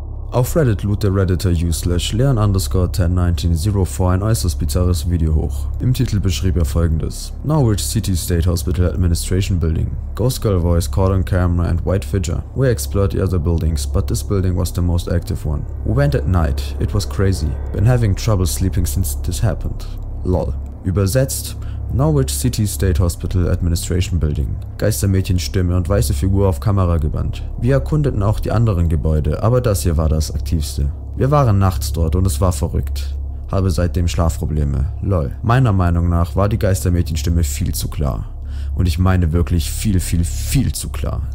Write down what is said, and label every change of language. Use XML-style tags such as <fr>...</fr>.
<de>Auf Reddit lud der Redditor u/leon_10904 ein äußerst bizarres Video hoch. Im Titel beschrieb er folgendes: Norwich City State Hospital Administration Building.</de> <en>Ghost Girl Voice caught on camera and white figure. We explored the other buildings, but this building was the most active one. We went at night, it was crazy. Been having trouble sleeping since this happened.</en> <de>Lol. Übersetzt: Norwich City State Hospital Administration Building. Geistermädchenstimme und weiße Figur auf Kamera gebannt. Wir erkundeten auch die anderen Gebäude, aber das hier war das aktivste. Wir waren nachts dort und es war verrückt. Habe seitdem Schlafprobleme. Lol. Meiner Meinung nach war die Geistermädchenstimme viel zu klar. Und ich meine wirklich viel, viel, viel zu klar.</de>